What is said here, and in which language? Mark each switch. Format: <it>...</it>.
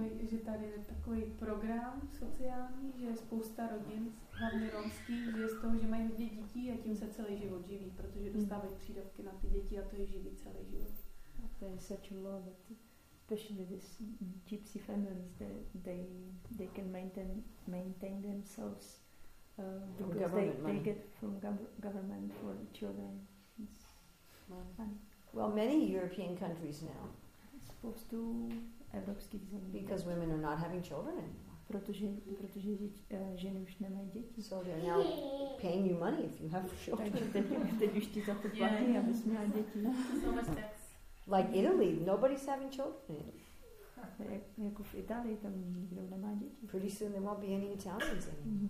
<cs>Že tady je takový program sociální, že je spousta rodin, hlavně romských, že je z toho, že mají hodně dětí a tím se celý život živí, protože dostávají přídavky na ty děti a to je živí celý život. A to je</cs> <en>such a lot of especially this gypsy families, that they can maintain themselves because they get from government for the children. It's money. Well, many European countries now. Supposed to because women are not having children anymore.</en> <cs>Protože ženy už nemají děti.</cs> <en>So they're now paying you money if you have children.</en> <cs>Teď už ti za to platí, abys měla děti.</cs> <en>Like Italy, nobody's having children.</en> <cs>Jako v Itálii, tam nikdo nemá děti.</cs> <en>Pretty soon there won't be any Italians anymore.</en>